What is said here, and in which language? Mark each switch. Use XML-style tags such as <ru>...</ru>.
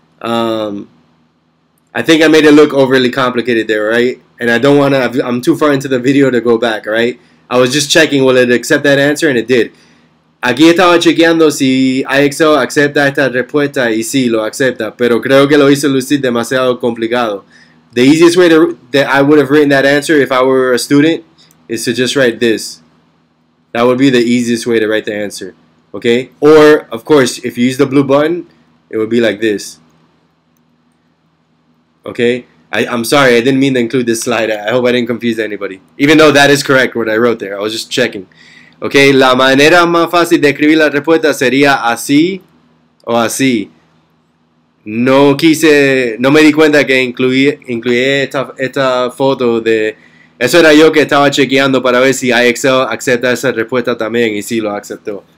<en>I think I made it look overly complicated there, right? And I don't want to, I'm too far into the video to go back, right? I was just checking, will it accept that answer? And it did.</en> <es>Aquí estaba chequeando si IXL acepta esta respuesta y sí, lo acepta, pero creo que lo hizo lucir demasiado complicado.</es> <en>The easiest way that I would have written that answer if I were a student is to just write this. That would be the easiest way to write the answer. Okay? Or, of course, if you use the blue button, it would be like this. Okay? I'm sorry, I didn't mean to include this slide. I hope I didn't confuse anybody. Even though that is correct what I wrote there. I was just checking. Okay?</en> <es>La manera más fácil de escribir la respuesta sería así o así. No quise, no me di cuenta que incluí esta foto de. Eso era yo que estaba chequeando para ver si IXL acepta esa respuesta también, y sí lo aceptó.</es>